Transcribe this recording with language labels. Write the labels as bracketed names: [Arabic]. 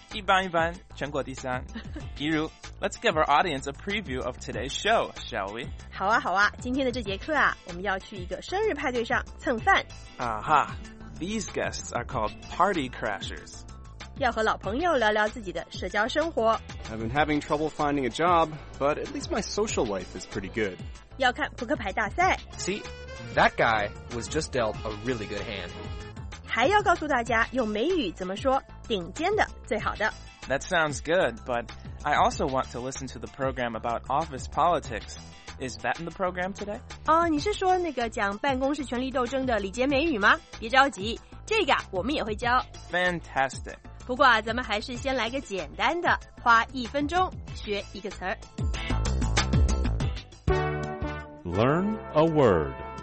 [Chinese] 一般一般，全国第三。 [English] 一如，Let's give our audience a preview of today's show, shall we? [Chinese] 好啊好啊，今天的这节课啊，我们要去一个生日派对上蹭饭。 [English] 啊哈，These guests are called party crashers. [Chinese] 要和老朋友聊聊自己的社交生活。 [English] I've been having trouble finding a job, but at least my social life is pretty good. [Chinese] 要看扑克牌大赛。 [English] See? That guy was just dealt a really good hand. [Chinese] 还要告诉大家用美语怎么说顶尖的最好的。 [English] That sounds good, but I also want to listen to the program about office politics. Is that in the program today? [Chinese] 你是说那个讲办公室权力斗争的礼节美语吗？别着急，这个我们也会教。 [English] Fantastic. [Chinese] 不过咱们还是先来个简单的，花一分钟学一个词儿。 [English] Learn a word.